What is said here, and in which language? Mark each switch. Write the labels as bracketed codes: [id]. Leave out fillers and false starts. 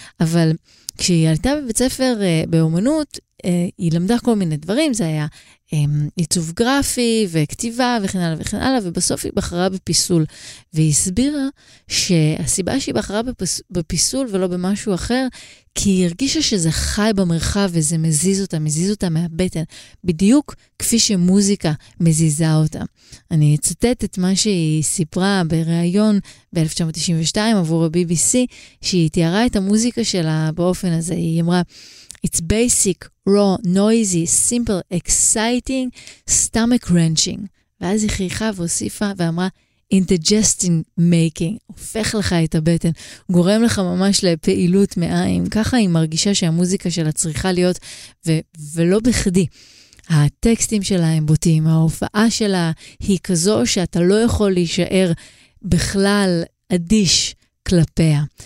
[he] אבל כשהיא הייתה בבית ספר באומנות, היא למדה כל מיני דברים, זה היה עיצוב גרפי וכתיבה וכן הלאה וכן הלאה, ובסוף היא בחרה בפיסול, והיא הסבירה שהסיבה שהיא בחרה בפיסול ולא במשהו אחר, כי היא הרגישה שזה חי במרחב וזה מזיז אותה, מזיז אותה מהבטן, בדיוק כפי שמוזיקה מזיזה אותה. אני אצטט את מה שהיא סיפרה בריאיון ב-1992 עבור ה-BBC, שהיא תיארה את המוזיקה שלה באופן הזה. היא אמרה, [en] It's basic, raw, noisy, simple, exciting, stomach wrenching. [he] ואז היא חייכה והוסיפה ואמרה, [en] indigesting making, [he] הופך לך את הבטן, גורם לך ממש לפעילות מעיים. ככה היא מרגישה שהמוזיקה שלה צריכה להיות, ולא בכדי. הטקסטים שלה הם בוטים, ההופעה שלה היא כזו שאתה לא יכול להישאר בכלל אדיש כלפיה.